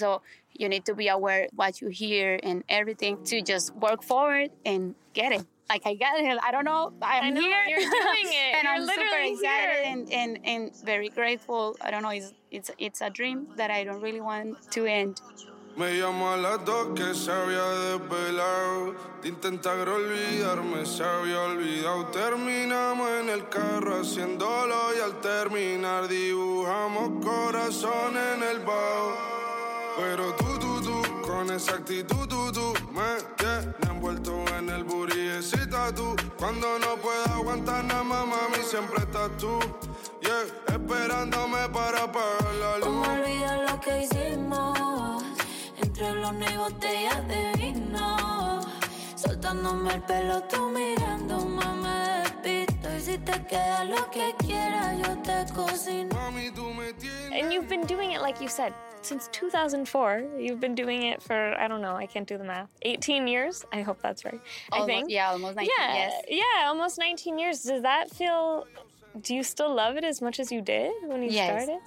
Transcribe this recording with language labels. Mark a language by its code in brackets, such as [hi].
[en] So you need to be aware of what you hear and everything to just work forward and get it. Like, I got it. I don't know. I'm here. You're doing it. And you're, I'm literally super excited here. And very grateful. I don't know. It's a dream that I don't really want to end. [es] Me llamo a las dos que se había desvelado. De intentar olvidarme, se había olvidado. Terminamos en el carro haciéndolo y al terminar dibujamos corazón en el bajo. Pero tú, con esa actitud, tú, me tienes envuelto en el buriecita tú. Cuando no puedo aguantar nada más, mami, siempre estás tú. Yeah, esperándome para apagar la luz. ¿Cómo olvidar lo que hicimos? Entre lona y botella de vino. Soltándome el pelo, tú mirándome, me despisto. Y si te queda lo que quieras, yo te cocino. Mami, tú me tienes. [en] And you've been doing it like you said. Since 2004, you've been doing it for, I don't know, I can't do the math, 18 years? I hope that's right. Almost, I think. Yeah, almost 19, yeah, yes. Yeah, almost 19 years. Does that feel, do you still love it as much as you did when you, yes, started?